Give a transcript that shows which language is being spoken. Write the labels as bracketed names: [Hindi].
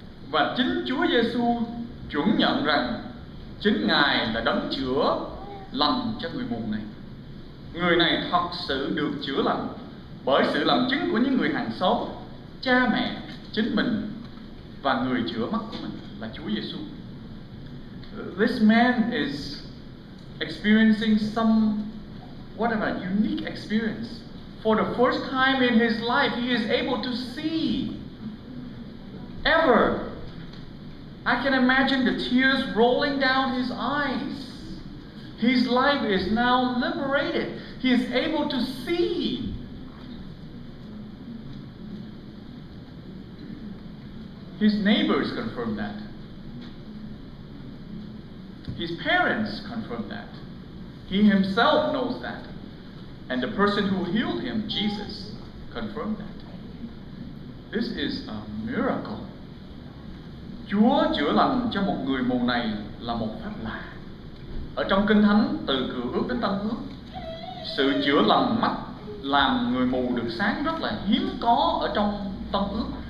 [Vietnamese] Và chính Chúa Giêsu chuẩn nhận rằng chính Ngài là đấng chữa lành cho người mù này. Người này thật sự được chữa lành bởi sự làm chứng của những người hàng xóm, cha mẹ, chính mình và người chữa mắt của mình là Chúa Giêsu. [English] This man is experiencing some whatever unique experience. For the first time in his life, he is able to see. Ever. I can imagine the tears rolling down his eyes. His life is now liberated. He is able to see. His neighbors confirmed that. His parents confirmed that. He himself knows that. And the person who healed him, Jesus, confirmed that. This is a miracle. [Vietnamese] Chúa chữa lành cho một người mù này là một phép lạ. Ở trong Kinh Thánh, từ Cựu Ước đến Tân Ước, sự chữa lành mắt làm người mù được sáng rất là hiếm có ở trong Tân Ước.